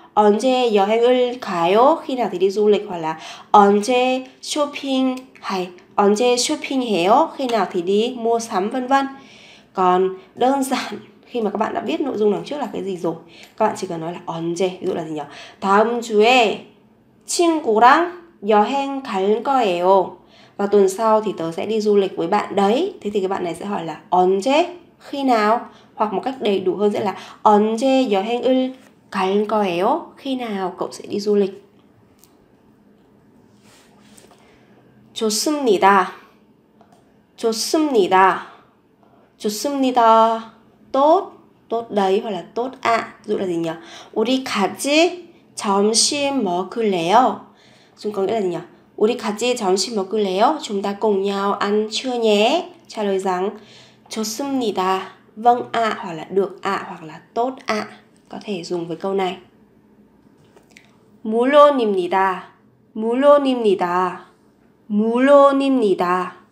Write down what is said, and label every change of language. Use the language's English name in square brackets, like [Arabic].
[Korean] 언제 여행을 가요? [Vietnamese] Khi nào thì đi du lịch, hoặc là [Korean] 언제 쇼핑 [Vietnamese] hay [Korean] 언제 쇼핑해요? [Vietnamese] Khi nào thì đi mua sắm, vân vân. Còn đơn giản khi mà các bạn đã biết nội dung đằng trước là cái gì rồi, các bạn chỉ cần nói là 언제. Ví dụ là gì nhỉ? [Korean] 다음 주에 친구랑 여행 갈 거예요. [Vietnamese] Và tuần sau thì tớ sẽ đi du lịch với bạn đấy. Thế thì các bạn này sẽ hỏi là 언제, khi nào. Hoặc một cách đầy đủ hơn sẽ là [Korean] 언제 여행을 갈 거예요, [Vietnamese] khi nào cậu sẽ đi du lịch. [Korean] 좋습니다. 좋습니다. 좋습니다. [Vietnamese] Tốt, tốt đấy, hoặc là tốt ạ. Dụ là gì nhỉ? [Korean] 우리 같이 점심 먹을래요? [Vietnamese] 좀 có nghĩa là gì nhỉ? [Korean] 우리 같이 점심 먹을래요? [Vietnamese] Chúng ta cùng nhau ăn trưa nhé. Trả lời rằng [Korean] 좋습니다. [Vietnamese] Vâng ạ, hoặc là được ạ, hoặc là tốt ạ. Có thể dùng với câu này. [Korean] 물론입니다. 물론입니다. 물론입니다.